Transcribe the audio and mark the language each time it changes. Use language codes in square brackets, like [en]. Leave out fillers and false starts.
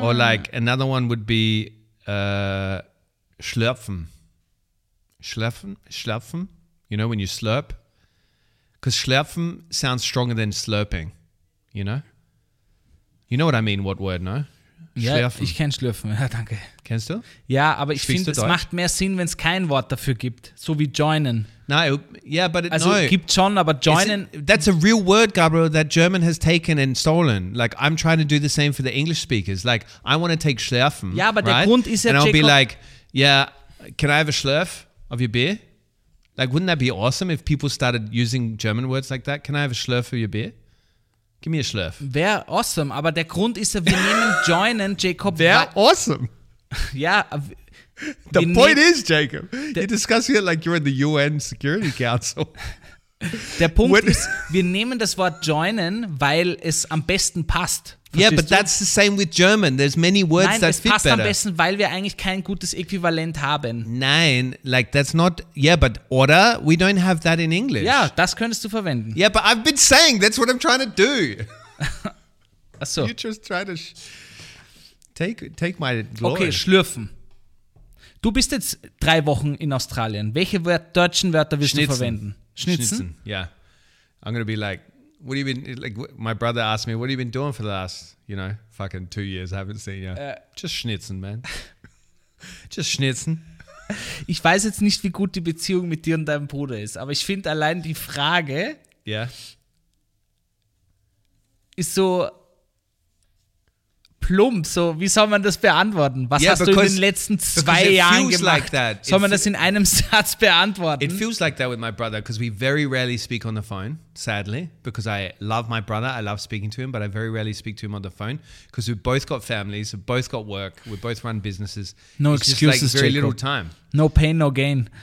[en] Or like another one would be schlürfen. Schlürfen? Schlürfen? You know, when you slurp. Because schlürfen sounds stronger than slurping. You know? You know what I mean, what word, no? [de] Schlürfen. Ja, ich kenne schlürfen. Ja, danke. Kennst du? Ja, aber ich finde, es macht mehr Sinn, wenn es kein Wort dafür gibt. So wie joinen. Nein, [en] yeah, but it, [de] also, no. Also gibt schon, aber joinen. [en] That's a real word, Gabriel, that German has taken and stolen. Like, I'm trying to do the same for the English speakers. Like, I want to take schlürfen. [de] Ja, aber [en] right? [de] Der Grund ist ja, [en] and I'll Jacob, be like, yeah, can I have a schlürf of your beer? Like, wouldn't that be awesome if people started using German words like that? Can I have a schlürf of your beer? [de] Gib mir Schlürf. Wäre awesome, aber der Grund ist ja, wir nehmen joinen, Jacob. Wäre awesome. Ja. [en] The point is, Jacob, you're discussing it like you're in the UN Security Council. [de] Der Punkt ist, wir nehmen das Wort joinen, weil es am besten passt. [en] Yeah, but that's the same with German. There's many words [de] nein, [en] that fit better. [de] Nein, es passt am besten, weil wir eigentlich kein gutes Äquivalent haben. Nein, [en] like that's not. Yeah, but order, we don't have that in English. [de] Ja, das könntest du verwenden. [en] Yeah, but I've been saying that's what I'm trying to do. [de] Ach so. [en] You just try to take my glory. [de] Okay, schlürfen. Du bist jetzt 3 Wochen in Australien. Welche deutschen Wörter willst Schnitzen. Du verwenden? [en] Schnitzen. Yeah, I'm gonna be like. What have you been, like, my brother asked me, what have you been doing for the last, you know, fucking 2 years? I haven't seen you. Just schnitzen, man. Just schnitzen. [de] Ich weiß jetzt nicht, wie gut die Beziehung mit dir und deinem Bruder ist, aber ich finde allein die Frage ist so plump, so, wie soll man das beantworten? Was hast du in den letzten 2 Jahren gemacht? [en] Like that. [de] Soll man das in einem Satz beantworten? [en] It feels like that with my brother, because we very rarely speak on the phone, sadly, because I love my brother, I love speaking to him, but I very rarely speak to him on the phone, because we've both got families, we've both got work, we both run businesses. No it's excuses, just like very little time. No pain, no gain.